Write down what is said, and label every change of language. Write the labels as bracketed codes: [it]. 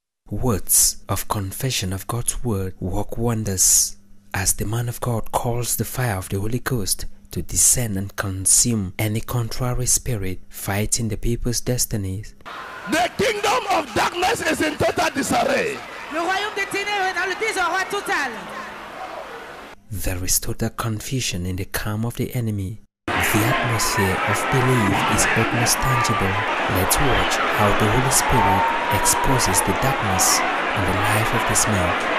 [en] Words of confession of God's word work wonders as the man of God calls the fire of the Holy Ghost to descend and consume any contrary spirit fighting the people's destinies. The kingdom of darkness is in total disarray. [fr] Le royaume des ténèbres est dans le désarroi total. [en] There is total confusion in the camp of the enemy. The atmosphere of belief is almost tangible. Let's watch how the Holy Spirit exposes the darkness in the life of this man.